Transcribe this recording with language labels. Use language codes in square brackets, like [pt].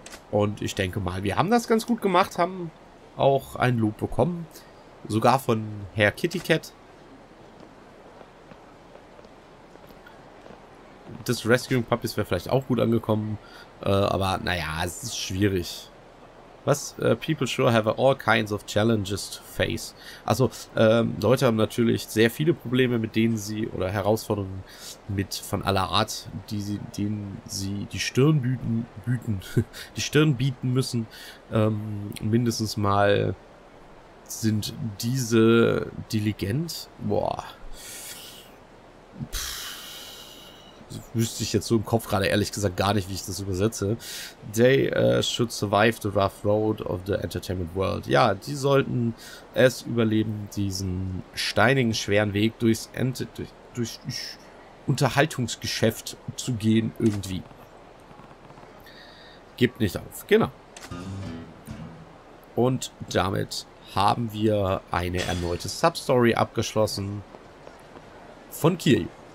[de] Und ich denke mal, wir haben das ganz gut gemacht, haben auch ein Lob bekommen. Sogar von Herr Kitty Cat. Das [en] Rescuing Puppies [de] wäre vielleicht auch gut angekommen. Aber naja, es ist schwierig. Was? [en] People sure have all kinds of challenges to face. [de] Also, Leute haben natürlich sehr viele Probleme, mit denen sie, oder Herausforderungen mit von aller Art, die sie, denen sie die Stirn bieten müssen. Mindestens mal sind diese diligent? Boah. Wüsste ich jetzt so im Kopf gerade ehrlich gesagt gar nicht, wie ich das übersetze. [en] They should survive the rough road of the entertainment world. [de] Ja, die sollten es überleben, diesen steinigen, schweren Weg durch Unterhaltungsgeschäft zu gehen irgendwie. Gebt nicht auf. Genau. Und damit haben wir eine erneute Substory abgeschlossen von Kiryu.